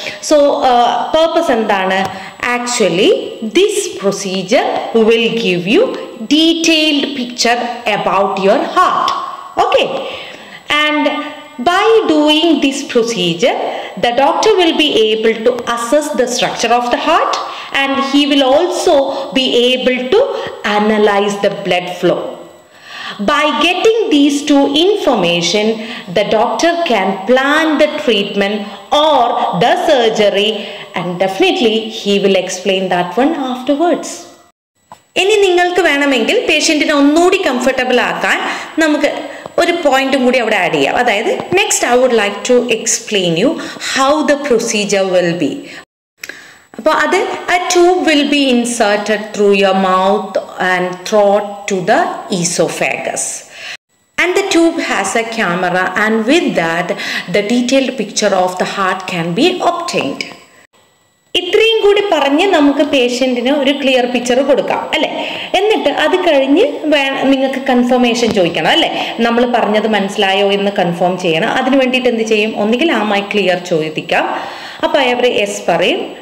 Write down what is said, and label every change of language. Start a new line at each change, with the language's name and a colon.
English: so
Malayalam: purpose എന്താണ്?
English: Actually this procedure will give you detailed picture about your heart. Okay, and by doing this procedure the doctor will be able to assess the structure of the heart and he will also be able to analyse the blood flow. By getting these two information, the doctor can plan the treatment or the surgery, and definitely he will explain that one afterwards.
Malayalam: ഇനി നിങ്ങൾക്ക് വേണമെങ്കിൽ പേഷ്യൻറ്റിനെ ഒന്നുകൂടി comfortable ആക്കാൻ നമുക്ക് ഒരു പോയിന്റും കൂടി അവിടെ ആഡ് ചെയ്യാം. അതായത്
English: Next I would like to explain you how the procedure will be.
Malayalam: അപ്പോൾ അത് ആ
English: Tube will be inserted through your mouth and throat to the oesophagus. And the tube has a camera, and with that, the detailed picture of the heart can be obtained.
Malayalam: ഇത്രയും കൂടി പറഞ്ഞ് നമുക്ക് പേഷ്യൻറ്റിന് ഒരു clear picture കൊടുക്കാം അല്ലേ. എന്നിട്ട് അത് കഴിഞ്ഞ് നിങ്ങൾക്ക് കൺഫർമേഷൻ ചോദിക്കണം അല്ലേ. നമ്മൾ പറഞ്ഞത് മനസ്സിലായോ എന്ന് കൺഫേം ചെയ്യണം. അതിന് വേണ്ടിയിട്ട് എന്ത് ചെയ്യും? ഒന്നുകിൽ ആ മൈ ക്ലിയർ ചോദിക്കാം, അപ്പോൾ അവർ യെസ് പറയും.